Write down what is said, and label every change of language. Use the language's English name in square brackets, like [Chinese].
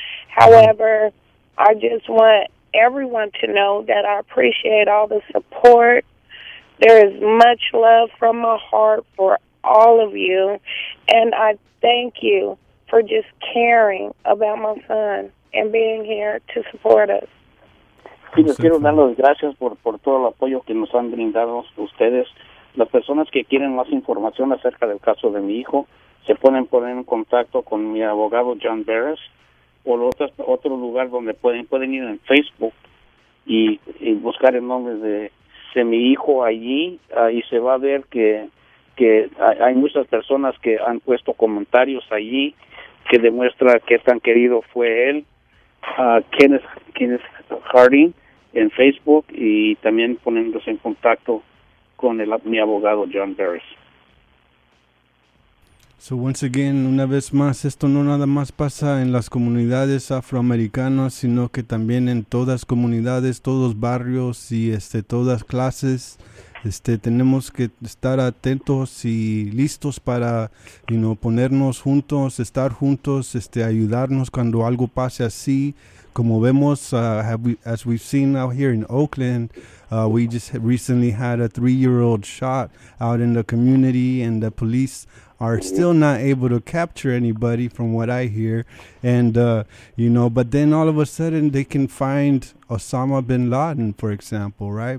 [English] However, I just want everyone to know that I appreciate all the support. There is much love from my heart for all of you, and I thank you for just caring about my son and being here to support us. [Spanish] Sí, les quiero dar las gracias por todo el apoyo que nos han brindado ustedes. Las personas que quieren más información acerca del caso de mi hijo se pueden poner en contacto con mi abogado John Barris o otro lugar donde pueden ir en Facebook y buscar el nombre de mi hijo allí, y se va a ver que hay muchas personas que han puesto comentarios allí que demuestra qué tan querido fue él. Kenneth Harding en Facebook, y también poniéndose en contacto con mi abogado John Barris. [English] So once again, [Spanish] una vez más, esto no nada más pasa en las comunidades afroamericanas, sino que también en todas comunidades, todos barrios y todas clases. Tenemos que estar atentos y listos para, you know, ponernos juntos, estar juntos, ayudarnos cuando algo pase así. Como vemos, [English] as we've seen out here in Oakland, we just recently had a 3-year-old shot out in the community, and the police are still not able to capture anybody from what I hear. And, you know, but then all of a sudden they can find Osama bin Laden, for example, right?